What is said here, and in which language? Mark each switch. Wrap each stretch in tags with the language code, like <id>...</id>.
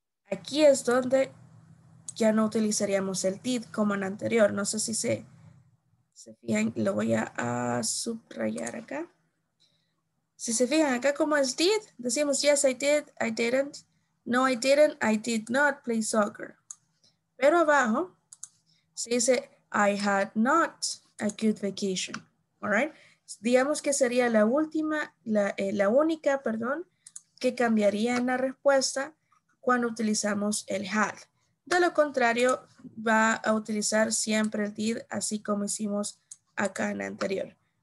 <es>Aquí es donde ya no utilizaríamos el did como en anterior. No sé si se fijan, lo voy a subrayar acá. Si se fijan acá como es did, decimos</es> <en>yes, I did, I didn't. No, I didn't, I did not play soccer.</en> <es>Pero abajo se dice</es> <en>I had not a good vacation. All right?</en> <es>Digamos que sería la última, la única, que cambiaría en la respuesta cuando utilizamos el had. De lo contrario, va a utilizar siempre el did, así como hicimos acá en la anterior.</es>